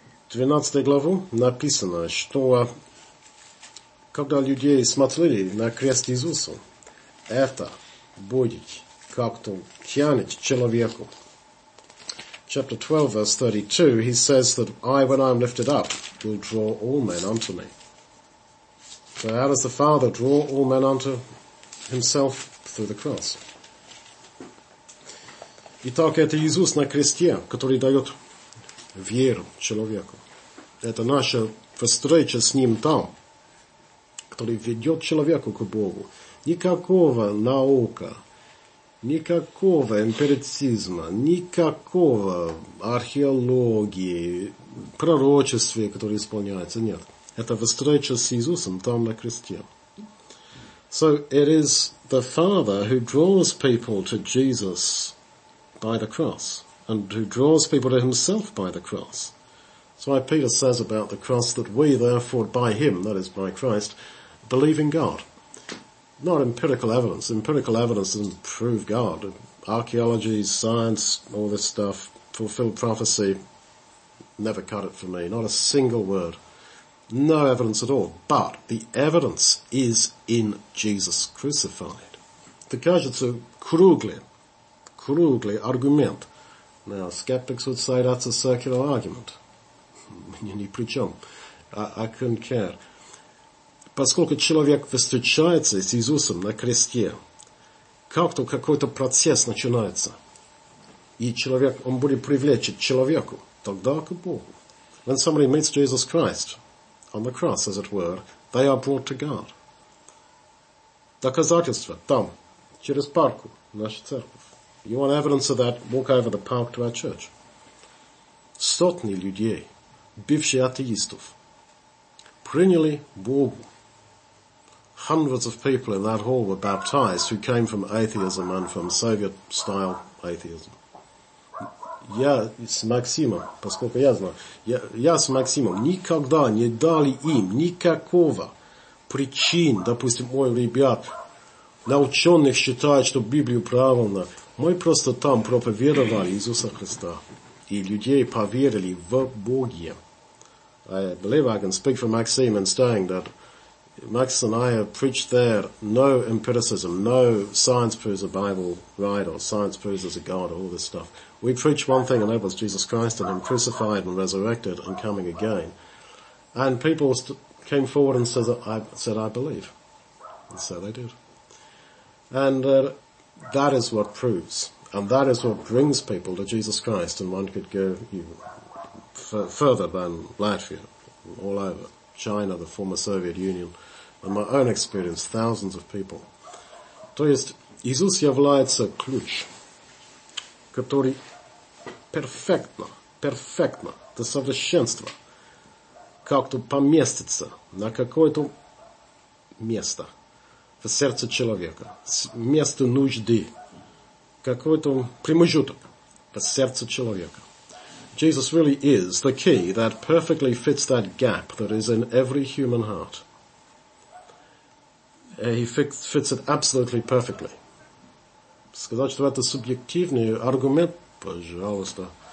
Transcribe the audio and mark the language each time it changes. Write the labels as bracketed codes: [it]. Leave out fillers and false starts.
[ru] 12 главу написано, что когда людей смотрели на крест Иисуса, это будет как-то тянет человеку. [en] Chapter 12, verse 32, he says that I, when I am lifted up, will draw all men unto me. So how does the Father draw all men unto himself through the cross? [ru] Итак, это Иисус на кресте, который дает веру человеку. Это наша встреча с ним там, который ведет человека к Богу. Никакого наука, никакого эмпирицизма, никакого археологии, пророчества, которое исполняется, нет. Это встреча с Иисусом там на кресте. [en] So it is the Father who draws people to Jesus by the cross and who draws people to himself by the cross. That's why Peter says about the cross that we therefore by him, that is by Christ, believe in God. Not empirical evidence. Empirical evidence doesn't prove God. Archaeology, science, all this stuff, fulfilled prophecy, never cut it for me. Not a single word. No evidence at all, but the evidence is in Jesus crucified. [ru] Это кажется круглый аргумент, [en] Now, skeptics would say that's a circular argument. [ru] Мне ни при чем. [en] I couldn't care. [ru] Поскольку человек встречается с Иисусом на кресте, как-то какой-то процесс начинается. И человек, он будет привлечен к человеку, тогда к Богу. [en] When somebody meets Jesus Christ on the cross, as it were, they are brought to God. [ru] Доказательство там, через парку, наша церковь. [en] You want evidence of that? Walk over the park to our church. [ru] Сотни людей, бывшие атеистов, приняли Богу. [en] Hundreds of people in that hall were baptized who came from atheism and from Soviet-style atheism. [ru] Я с Максимом, поскольку я знаю, я с Максимом никогда не дали им никакого причин, допустим, ой, ребят, наученных считают, что Библию правильно. Мы просто там проповедовали Иисуса Христа, и людей поверили в Боге. [en] I believe I can speak for Maxim in saying that Max and I have preached there no empiricism, no science proves a Bible right or science proves there's a God, all this stuff. We preach one thing and that was Jesus Christ and Him crucified and resurrected and coming again. And people came forward and said, I believe. And so they did. And that is what proves. And that is what brings people to Jesus Christ. And one could go further than Latvia, all over China, the former Soviet Union, and my own experience, thousands of people. [ru] То есть, Иисус является ключ, который перфектно, до совершенства, как-то поместится на какое-то место в сердце человека, место нужды, какой-то промежуток в сердце человека. [en] Jesus really is the key that perfectly fits that gap that is in every human heart. He fits it absolutely perfectly. [ru] Сказать, что это субъективный аргумент, пожалуйста.